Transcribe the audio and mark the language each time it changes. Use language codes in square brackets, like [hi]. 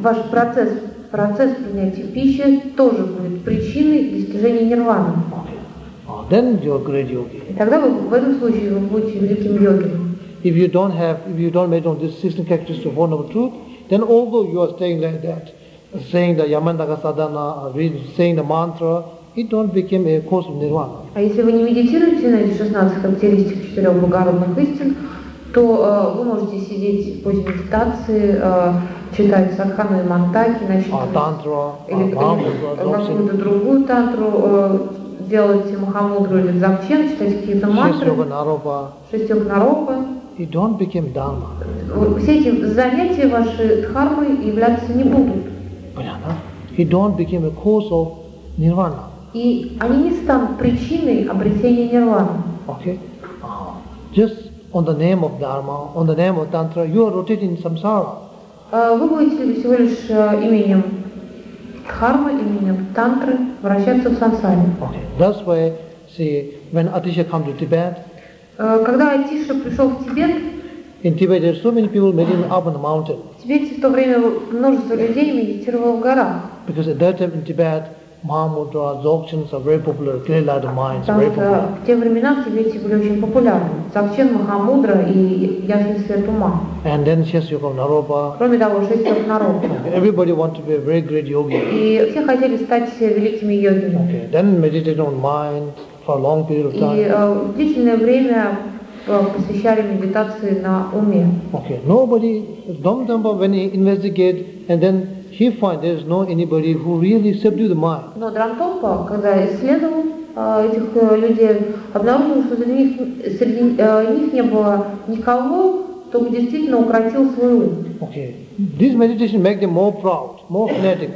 [ru] Ваш процесс принятия пищи тоже будет причиной достижения нирваны. [en] Okay. Then you are great yogi. [ru] И тогда вы в этом случае вы будете великим йоги. [en] If you don't have, if you don't meditate on these 16 characteristics of one noble truth, then although you are staying like that, saying the Yamandaka Sadhana, saying the mantra, it don't become a cause of nirvana. [ru] А если вы не медитируете на эти 16 характеристик четырех благородных истин, то вы можете сидеть в позе медитации, читать садхану и мантаки, начитывать тантру, или какую-то другую тантру, делать Махамудру или Дзакчен, читать какие-то мантры, шестьёк-наропа. [en] It don't become dharma. [ru] Все эти занятия ваши дхармы являться не будут. Понятно? [en] It don't become a cause of nirvana. [ru] И они не станут причиной обретения нирваны. [en] Okay. Just on the name of dharma, on the name of tantra, you are rotating in samsara. [ru] Вы будете всего лишь именем дхармы, именем тантры вращаться в сансаре. [en] Okay. That's why, see, when Atisha came to Tibet. [ru] Когда Атиша пришел в Тибет. [en] In Tibet, there are so many people meditating up on the mountain. [ru] В Тибете в то время множество людей медитировало в горах. [en] Because at that time in Tibet, Mahamudra, Dzogchen are very popular. Clear light of mind, very popular. [ru] В те времена в Тибете были очень популярны. Дзогчен, Махамудра и ясный свет ума. [en] And then Шестьёк-наропа. [ru] Кроме того, Шестьёк-наропа. [en] Everybody wanted to be a very great yogi. [ru] И все хотели стать великими йогами. [en] Okay. Then meditating on mind for a long period of time. [ru] И длительное время посвящали медитации на уме. [en] Okay. Nobody, Dhammadhamma, when he investigated, and then he finds there is no anybody who really subdued the mind. [ru] Но Дрантопа, когда исследовал этих людей, обнаружил, что среди них не было никого, кто бы действительно укротил свой ум. [en] Okay. This meditation makes them more proud, more fanatic.